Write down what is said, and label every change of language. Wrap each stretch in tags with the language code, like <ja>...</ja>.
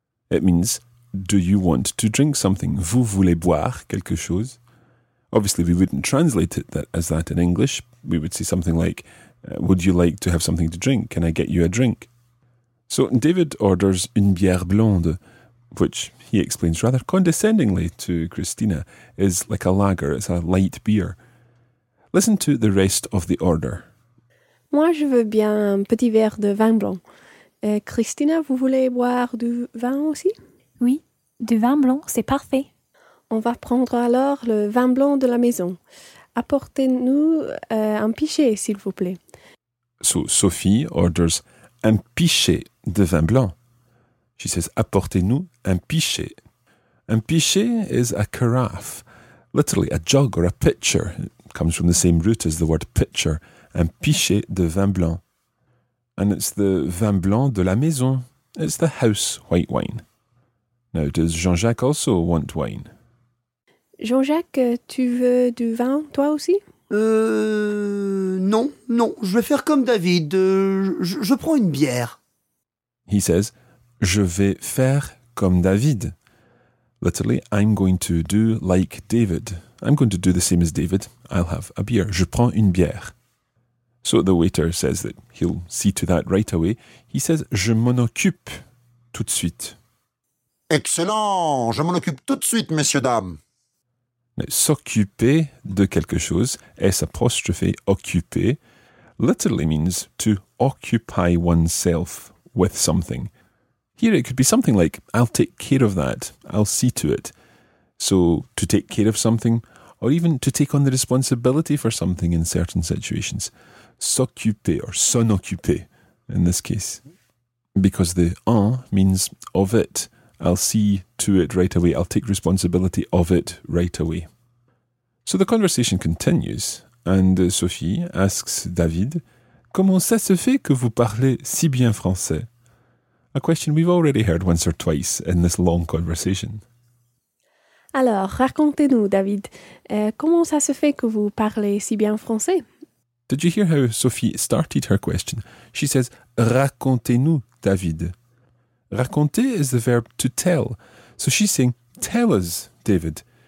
<en>It means, do you want to drink something?</en> <fr>Vous voulez boire quelque chose?</fr> <en>Obviously, we wouldn't translate it as that in English. We would say something like, would you like to have something to drink? Can I get you a drink? So David orders</en> <fr>une bière blonde,</fr> <en>which he explains rather condescendingly to Christina, is like a lager, it's a light beer. Listen to the rest of the order.</en> <fr>Moi, je veux bien un petit verre de vin blanc. Et Christina, vous voulez boire du vin aussi? Oui, du vin blanc, c'est parfait. On va prendre alors le vin blanc de la maison. Apportez-nous un pichet, s'il vous plaît.</fr> <en>So Sophie orders</en> <fr>un pichet de vin blanc.</fr> <en>She says,</en> <fr>apportez-nous un pichet.</fr> <en>Un pichet is a carafe, literally a jug or a pitcher. It comes from the same root as the word pitcher.</en> <fr>Un pichet de vin blanc.</fr> <en>And it's the</en> <fr>vin blanc de la maison.</fr> <en>It's the house white wine. Now, does Jean-Jacques also want wine?</en> <fr>Jean-Jacques, tu veux du vin, toi aussi? Non. Je vais faire comme David. Je prends une bière.</fr> <en>He says,</en> <fr>je vais faire comme David.</fr> <en>Literally, I'm going to do like David. I'm going to do the same as David. I'll have a beer.</en> <fr>Je prends une bière.</fr> <en>So the waiter says that he'll see to that right away. He says,</en> <fr>je m'en occupe tout de suite. Excellent! Je m'en occupe tout de suite, messieurs, dames.</fr> <en>Now,</en> <fr>s'occuper de quelque chose,</fr> <en>s'apostrophe occuper, literally means to occupy oneself with something. Here it could be something like, I'll take care of that, I'll see to it. So, to take care of something, or even to take on the responsibility for something in certain situations. S'occuper or s'en occuper in this case. Because the en means of it. I'll see to it right away. I'll take responsibility of it right away. So the conversation continues and Sophie asks David,</en> <fr>comment ça se fait que vous parlez si bien français?</fr> <en>A question we've already heard once or twice in this long conversation.</en> <fr>Alors, racontez-nous, David, comment ça se fait que vous parlez si bien français?</fr> <en>Did you hear how Sophie started her question? She says,</en> <fr>racontez-nous, David.</fr> <en>Raconter is the verb to tell. So she's saying, tell us, David.</en>